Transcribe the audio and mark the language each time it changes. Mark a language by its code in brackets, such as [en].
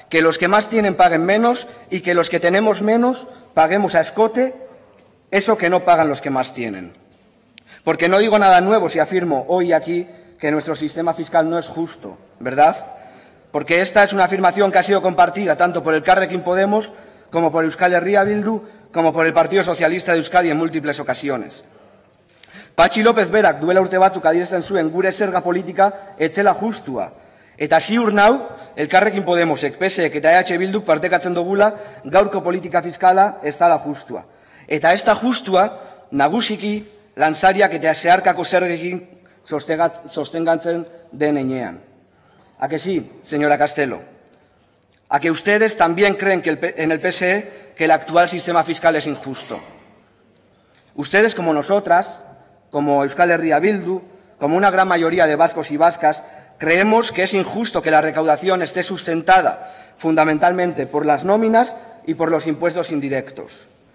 [es] Que los que más tienen paguen menos y que los que tenemos menos paguemos a escote eso que no pagan los que más tienen. Porque no digo nada nuevo si afirmo hoy aquí que nuestro sistema fiscal no es justo, ¿verdad? Porque esta es una afirmación que ha sido compartida tanto por el Carrequín Podemos como por Euskal Herria Bildu como por el Partido Socialista de Euskadi en múltiples ocasiones. [eu] Patxi López Berak duela urte batzuk adierazten zuen gure zerga politika etzela justua. Eta ziur nau, Elkarrekin Podemosek, PSek eta EH Bilduk partekatzen dugula gaurko politika fiskala ez dala justua. Eta ez da justua nagusiki lansariak eta zeharkako zergekin sostengatzen den enean. [es] A que sí, señora Castelo. A que ustedes también creen que en el PSE que el actual sistema fiscal es injusto. Ustedes como nosotras, como Euskal Herria Bildu, como una gran mayoría de vascos y vascas, creemos que es injusto que la recaudación esté sustentada fundamentalmente por las nóminas y por los impuestos indirectos.